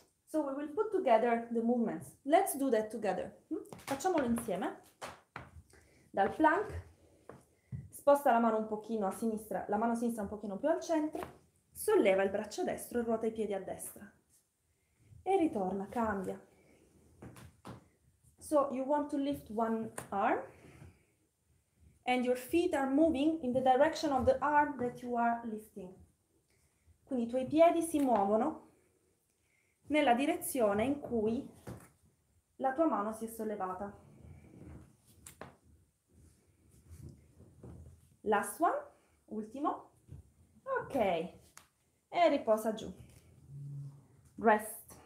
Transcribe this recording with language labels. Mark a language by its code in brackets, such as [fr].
[en] So we will put together the movements. Let's do that together. [it] Facciamolo insieme. Dal plank, sposta la mano un pochino a sinistra, la mano sinistra un pochino più al centro, solleva il braccio destro e ruota i piedi a destra. E ritorna, cambia. [en] So you want to lift one arm and your feet are moving in the direction of the arm that you are lifting. [it] Quindi i tuoi piedi si muovono nella direzione in cui la tua mano si è sollevata. [en] Last one, [it] ultimo. Ok, e riposa giù. [en] Rest.